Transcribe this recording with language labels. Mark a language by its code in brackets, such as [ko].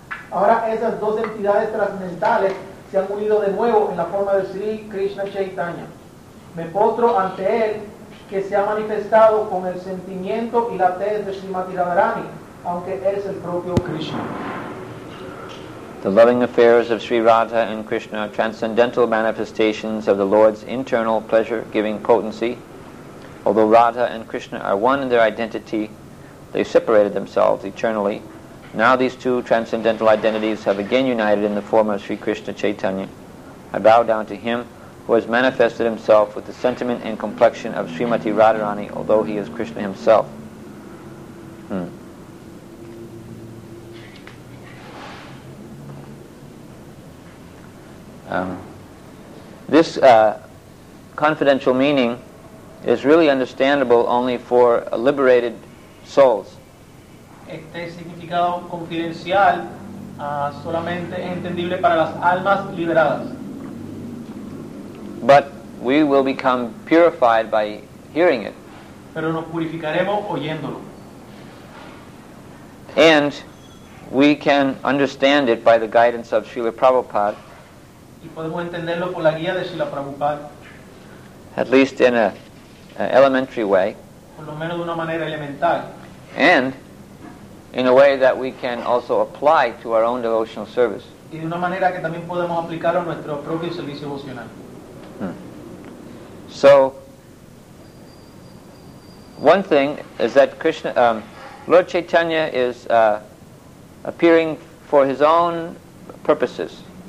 [es] Ahora esas dos entidades trascendentales se han unido de nuevo en la forma de Sri Krishna Chaitanya. Me postro ante él, que se ha manifestado con el sentimiento y la tez de Srimati Radharani, aunque es el propio Krishna. [en] The loving affairs of Sri Radha and Krishna are transcendental manifestations of the Lord's internal pleasure-giving potency. Although Radha and Krishna are one in their identity, they separated themselves eternally. Now these two transcendental identities have again united in the form of Sri Krishna Chaitanya. I bow down to him who has manifested himself with the sentiment and complexion of Srimati Radharani, although he is Krishna himself. This confidential meaning is really understandable only for liberated souls. [es] Este significado confidencial solamente es entendible para las almas liberadas. [en] But we will become purified by hearing it. [es] Pero nos purificaremos oyéndolo. [en] And we can understand it by the guidance of Srila Prabhupada. [es] Y podemos entenderlo por la guía de Srila Prabhupada. [en] At least in an elementary way. [es] Por lo menos de una manera elemental. [en] And in a way that we can also apply to our own devotional service. [es] Y de una manera que también podemos aplicarlo a nuestro propio servicio devocional. [en] So, one thing is that Krishna, Lord Chaitanya is appearing for his own purposes.